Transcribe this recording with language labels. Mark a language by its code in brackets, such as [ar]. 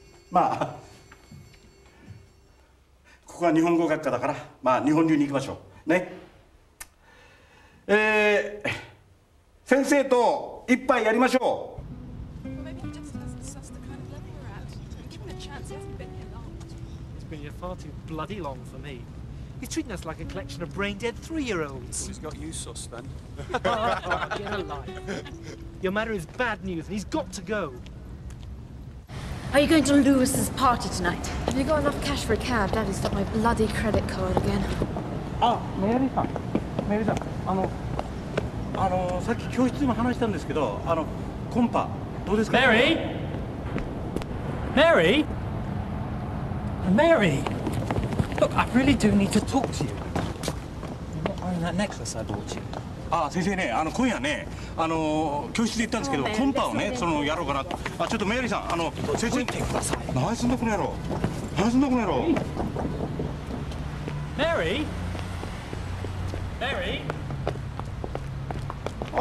[ja] まあここは日本語学科だから、まあ日本流に行きましょうね。先生と一杯やりましょう。 [en] It's been here far too bloody long for me. He's treating us like a collection of brain-dead three-year-olds. Well, he's got you sus then. Get a life. Your manner is bad news, and he's got to go. Are you going to Lewis's party tonight? Have you got enough cash for a cab? Daddy's got my bloody credit card again. [ja] あ、メアリーさん、メアリーさん、さっき教室でも話したんですけど、あの、コンパ、どうですか？メアリー？メアリー？メアリー！ [en] Look, I really do need to talk to you. You're not wearing that necklace I bought you. [ja] あ、先生ね、あの、今夜ね、あの、教室で行ったんですけど、コンパをね、その、やろうかなと。あ、ちょっとメアリーさん、あの、先生、てください。何すんだこの野郎。何すんだこの野郎。メアリー？メリー。